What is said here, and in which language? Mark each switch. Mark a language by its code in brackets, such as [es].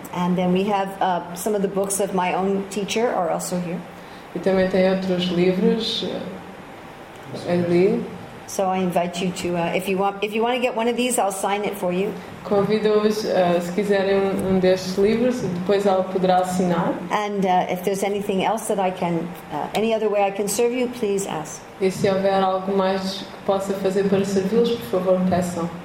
[en] And then we have some of the books of my own teacher are also here. [pt] E também tem outros livros ali. [en] So I invite you to if you want to get one of these, I'll sign it for you. [pt] Convido-os, se quiserem um destes livros, depois ela poderá assinar. [en] And if there's anything else that I can any other way I can serve you, please ask. [pt] E se houver algo mais que possa fazer para servi-los, por favor, peçam.